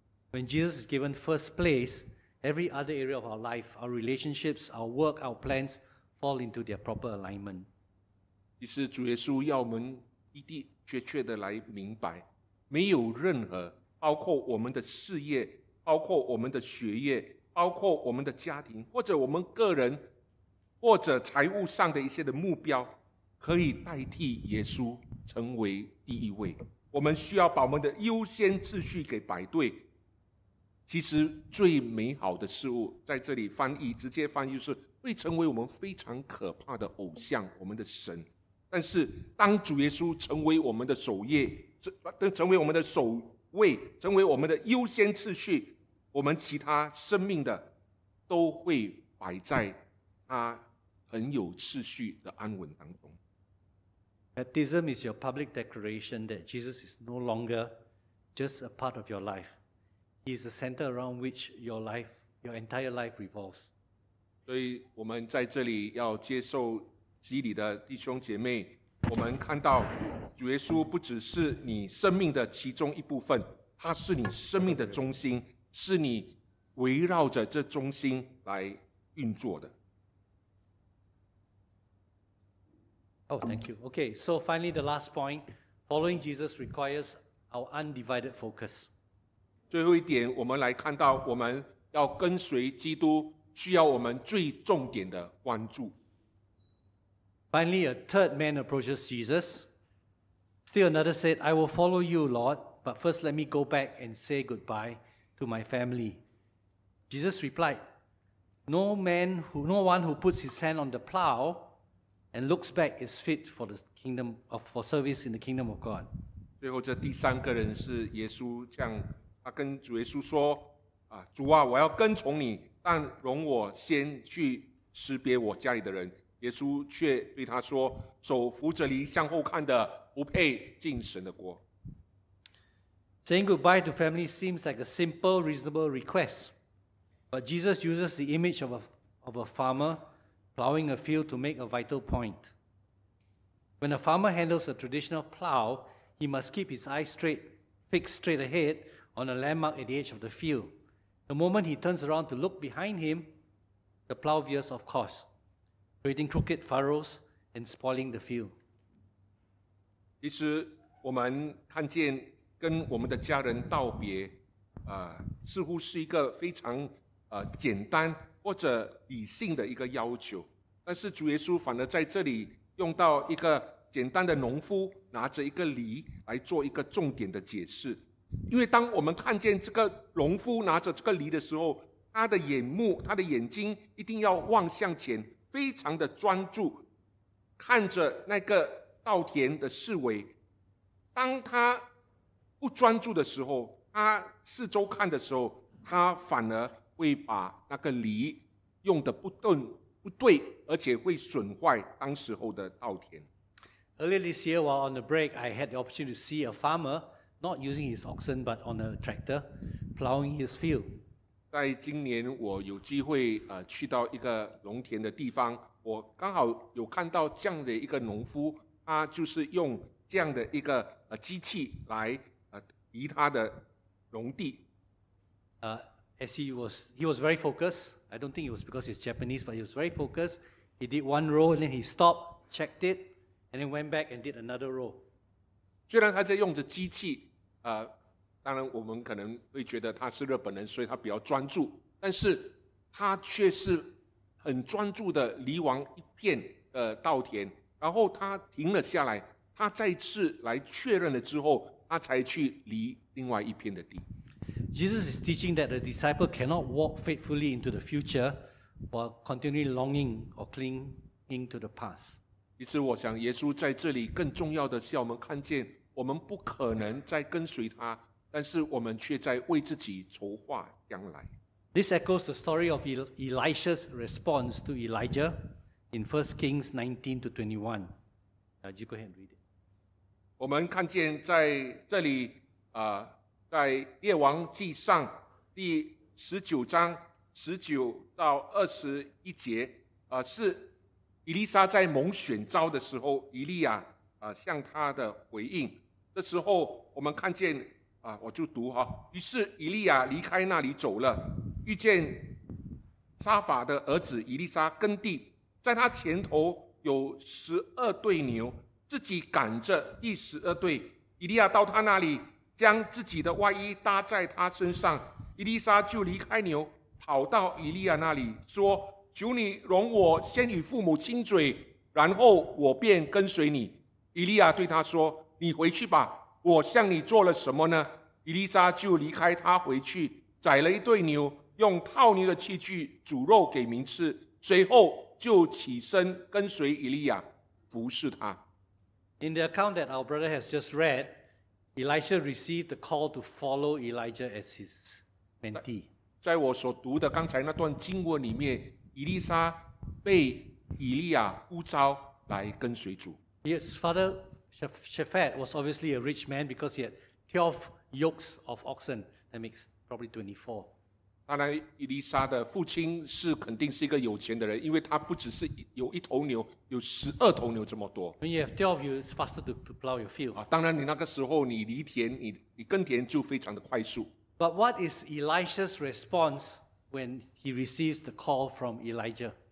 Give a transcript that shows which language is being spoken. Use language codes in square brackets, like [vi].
[en] When Jesus is given first place, every other area of our life, our relationships, our work, our plans fall into their proper alignment. [zh] 其实主耶稣要我们一定确确的来明白，没有任何包括我们的事业，包括我们的学业，包括我们的家庭，或者我们个人，或者财务上的一些的目标，可以代替耶稣成为第一位。我们需要把我们的优先次序给摆对。其实最美好的事物，在这里翻译直接翻译是会成为我们非常可怕的偶像，我们的神。但是当主耶稣成为我们的首页，成为我们的首位，成为我们的优先次序，我们其他生命的都会摆在他很有次序的安稳当中。 [en] Baptism is your public declaration that Jesus is no longer just a part of your life. He is the center around which your life, your entire life revolves. [zh] 所以我们在这里要接受洗礼的弟兄姐妹，我们看到主耶稣不只是你生命的其中一部分，他是你生命的中心，是你围绕着这中心来运作的。 [en] Oh, thank you. Okay, so finally, the last point. Following Jesus requires our undivided focus. [zh] 最后一点，我们来看到我们要跟随基督，需要我们最重点的关注。 [en] Finally, a third man approaches Jesus. Still another said, I will follow you, Lord, but first let me go back and say goodbye to my family. Jesus replied, No one who puts his hand on the plow and looks back is fit for the kingdom of for service in the kingdom of God. [zh] 最后这第三个人是耶稣，这样他跟主耶稣说，主啊，我要跟从你，但容我先去识别我家里的人。耶稣却对他说，手扶着犁向后看的不配进神的国。 [en] Saying goodbye to family seems like a simple, reasonable request, but Jesus uses the image of a farmerplowing a field to make a vital point. When a farmer handles a traditional plow, he must keep his eyes straight, fixed straight ahead on a landmark at the edge of the field. The moment he turns around to look behind him, the plow veers off course, creating crooked furrows and spoiling the field. [zh] 其实我们看见跟我们的家人道别，似乎是一个非常简单或者理性的一个要求，但是主耶稣反而在这里用到一个简单的农夫拿着一个犁来做一个重点的解释。因为当我们看见这个农夫拿着这个犁的时候，他的眼目他的眼睛一定要望向前，非常的专注看着那个稻田的四围。当他不专注的时候，他四周看的时候，他反而会把那个犁用得不对，而且会损坏当时候的稻田。 [en] Earlier this year, while on a break, I had the opportunity to see a farmer not using his oxen but on a tractor plowing his field. [zh] 在今年我有机会去到一个农田的地方，我刚好有看到这样的一个农夫，他就是用这样的一个机器来移他的农地。 [en] As he was very focused. I don't think it was because he's Japanese, but he was very focused. He did one row and then he stopped, checked it, and then went back and did another row. [zh] 虽然他在用着机器，当然我们可能会觉得他是日本人，所以他比较专注，但是他却是很专注的犁完一片的稻田，然后他停了下来，他再次来确认了之后，他才去犁另外一片的地。 [en] Jesus is teaching that a disciple cannot walk faithfully into the future while continually longing or clinging to the past. [zh] 其实我想耶稣在这里更重要的是要我们看见我们不可能再跟随他，但是我们却在为自己筹划将来。 [en] This echoes the story of Elisha's response to Elijah in 1 Kings 19-21. You go ahead and read it. [zh] 我们看见在这里在列王记上第十九章十九到二十一节是以利沙在蒙选召的时候，以利亚向他的回应。这时候我们看见我就读哈，于是以利亚离开那里走了，遇见撒法的儿子以利沙耕地，在他前头有十二对牛，自己赶着第十二对。以利亚到他那里，将自己的外衣搭在他身上，以利沙就离开牛，跑到以利亚那里说：“求你容我先与父母亲嘴，然后我便跟随你。” 以利亚对他说：“你回去吧，我向你做了什么呢？” 以利沙就离开他回去，宰了一对牛，用套牛的器具煮肉给民吃，随后就起身跟随以利亚，服侍他。 [en] In the account that our brother has just read,Elisha received the call to follow Elijah as his mentee. [zh] 在我所读的刚才那段经文里面，以利沙被以利亚呼召来跟随主。 [en] His father, Shaphat, was obviously a rich man because he had 12 yokes of oxen. That makes probably 24. [zh] 当然，以利沙的父亲是肯定是一个有钱的人，因为他不只是有一头牛，有十二头牛这么多。 [en] When you have 12, it's faster to plow your field. [zh] 当然，你那个时候你犁田，你耕田就非常的快速。 [en] But what is Elisha's response when he receives the call from Elijah?